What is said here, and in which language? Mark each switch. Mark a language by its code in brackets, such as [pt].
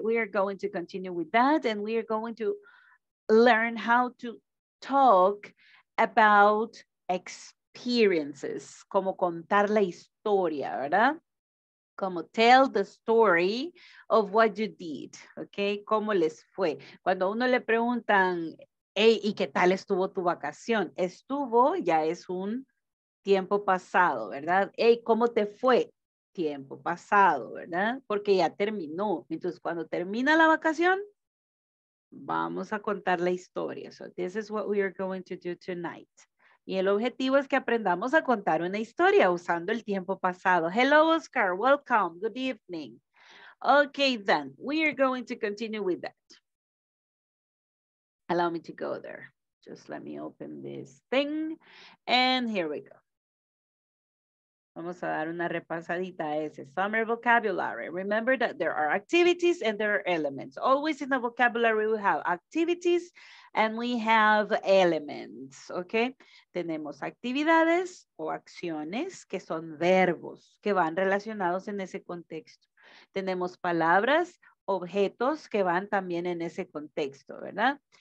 [en] We are going to continue with that, and we are going to learn how to talk about experiences, [es] como contar la historia, ¿verdad? [en] Como tell the story of what you did, okay? [es] ¿Cómo les fue? Cuando uno le preguntan, hey, ¿y qué tal estuvo tu vacación? Estuvo, ya es un tiempo pasado, ¿verdad? Hey, ¿cómo te fue? Tiempo pasado, ¿verdad? Porque ya terminó. Entonces, cuando termina la vacación, vamos a contar la historia. [en] So this is what we are going to do tonight. [es] Y el objetivo es que aprendamos a contar una historia usando el tiempo pasado. [en] Hello, Oscar. Welcome. Good evening. Okay, then. We are going to continue with that. Allow me to go there. Just let me open this thing. And here we go. [es] Vamos a dar una repasadita a ese summer vocabulary. [en] Remember that there are activities and there are elements. Always in the vocabulary we have activities and we have elements, okay? [es] Tenemos actividades o acciones que son verbos que van relacionados en ese contexto. Tenemos palabras, objetos que van también en ese contexto, ¿verdad?